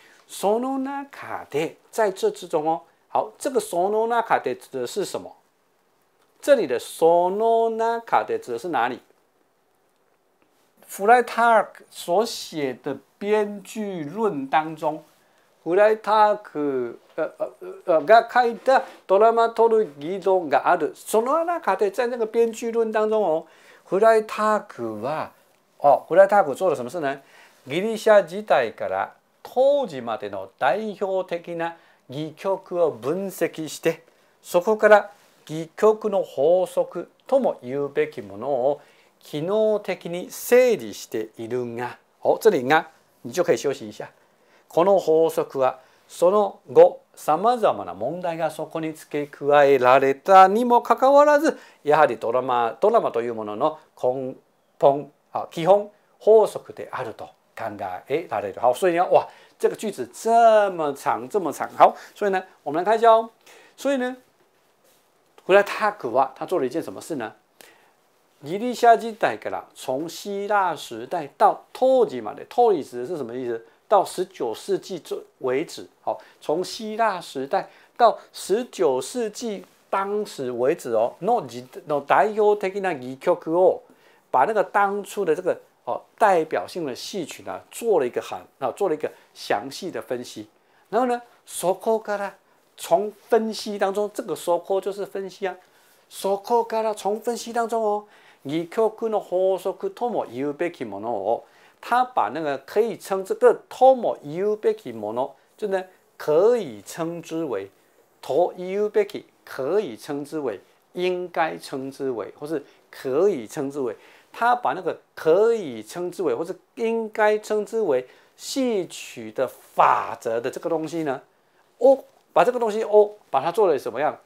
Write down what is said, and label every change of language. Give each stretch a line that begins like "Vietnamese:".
Japanese: その中で，
Chinese: 在这之中哦，好，这个その中で指的是什么？这里的その中で指的是哪里？弗莱塔克所写的《编剧论》当中。
Japanese: フライタークが書いたドラマトルギー論がある。その中で
Chinese: 在那个编剧论当中哦，
Japanese: フライタークは
Chinese: 哦，フライターク做了什么事呢？
Japanese: ギリシャ時代から当時までの代表的な戯曲を分析して、そこから戯曲の法則とも言うべきものを機能的に整理しているが。
Chinese: 哦，这里が，你就可以休息一下。
Japanese: この法則はその後さまざまな問題がそこに付け加えられたにもかかわらず、やはりドラマというものの根本啊基本法則であると考えられる。
Chinese: 好，所以呢，哇，这个句子这么长，这么长。好，所以呢，我们来看一下哦。所以呢，弗莱塔克啊，他做了一件什么事呢？
Japanese: ギリシャ時代から，
Chinese: 从希腊时代到
Japanese: 当時まで，
Chinese: 当時是什么意思？到十九世纪为止，好，从希腊时代到十九世纪当时为止哦，
Japanese: の代表的な戯曲を，
Chinese: 把那个当初的这个、哦、代表性的戏曲呢，做了一个很、哦、做了一个详细的分析。然后呢，
Japanese: そこから
Chinese: 从分析当中，这个そこ就是分析啊，そこから从分析当中哦，
Japanese: 戯曲の法則とも言うべきものを。
Chinese: 他把那个可以称这个
Japanese: tomo yubeki mono，
Chinese: 就呢可以称之为
Japanese: to yubeki，
Chinese: 可以称之为，应该称之为，或是可以称之为。他把那个可以称之为，或是应该称之为戏曲的法则的这个东西呢，哦，把这个东西哦，把它做了什么样？